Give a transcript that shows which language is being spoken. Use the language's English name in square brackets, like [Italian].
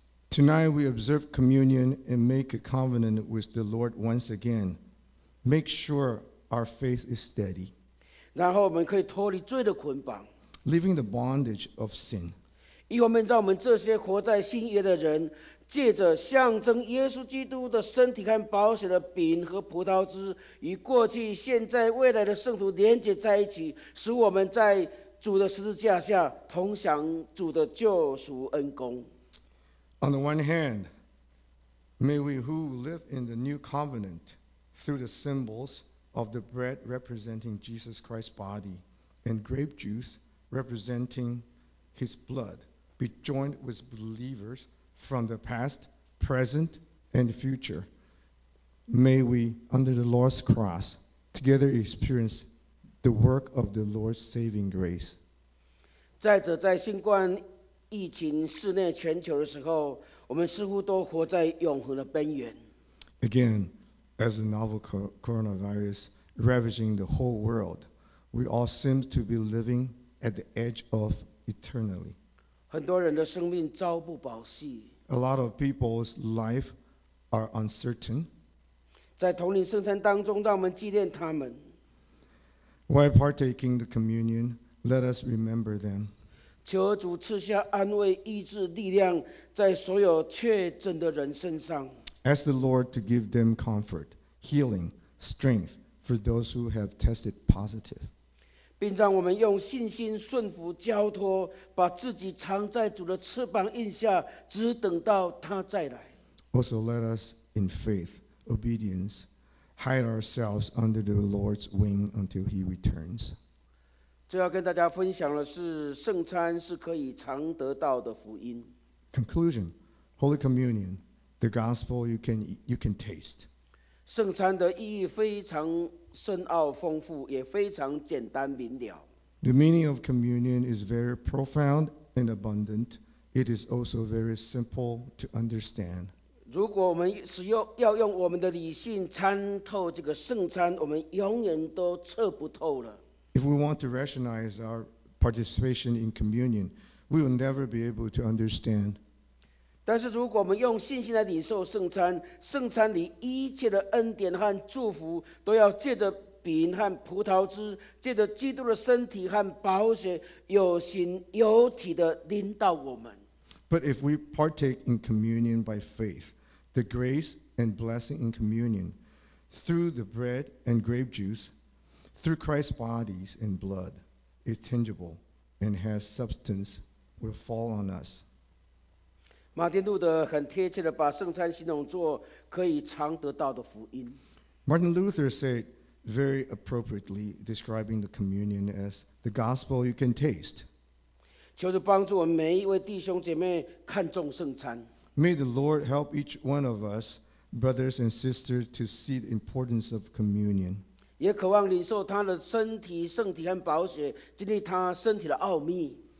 [English] Tonight we observe communion and make a covenant with the Lord once again. Make sure our faith is steady. [Chinese] 然后我们可以脱离罪的捆绑。 [English] Leaving the bondage of sin. [Chinese] 以我们让我们这些活在新约的人，借着象征耶稣基督的身体和宝血的饼和葡萄汁，与过去、现在、未来的圣徒连接在一起，使我们在主的十字架下同享主的救赎恩功。 [English] On the one hand, may we who live in the new covenant. Through the symbols of the bread representing Jesus Christ's body and grape juice representing his blood, be joined with believers from the past, present, and future. May we, under the Lord's cross, together experience the work of the Lord's saving grace. [Chinese] 再者，在新冠疫情肆虐全球的时候，我们似乎都活在永恒的边缘。 [English] Again,As the novel coronavirus ravaging the whole world, we all seem to be living at the edge of eternally. A lot of people's lives are uncertain. [Chinese] 在同领圣餐当中，让我们纪念他们。 [English] While partaking the communion, let us remember them. [Chinese] 求主赐下安慰、医治、力量在所有确诊的人身上。 [English] Ask the Lord to give them comfort, healing, strength for those who have tested positive. [Chinese] 并让我们用信心顺服交托，把自己藏在主的翅膀印下，只等到他再来。 [English] Also let us, in faith, obedience, hide ourselves under the Lord's wing until he returns. [Chinese] 最后跟大家分享的是，圣餐是可以常得到的福音。 [English] Conclusion, Holy Communion. The gospel you can taste. [Chinese] 圣餐的意义非常深奥丰富，也非常简单明了。 [English] The meaning of communion is very profound and abundant. It is also very simple to understand. [Chinese] 如果我们使用要用我们的理性参透这个圣餐，我们永远都测不透了。 [English] If we want to rationalize our participation in communion, we will never be able to understand. [Chinese] 但是如果我们用信心来领受圣餐，圣餐里一切的恩典和祝福都要借着饼和葡萄汁，借着基督的身体和宝血，有形有体的临到我们。 [English] But if we partake in communion by faith, the grace and blessing in communion, through the bread and grape juice, through Christ's body and blood, is tangible and has substance, will fall on us. [Chinese] 马丁路德很贴切地把圣餐形容作可以尝得到的福音。 [English] Martin Luther said very appropriately, describing the communion as the gospel you can taste. [Chinese] 求主帮助我们每一位弟兄姐妹看重圣餐。 [English] May the Lord help each one of us, brothers and sisters, to see the importance of communion. [Chinese] 也渴望领受他的身体、圣体和宝血，经历他身体的奥秘。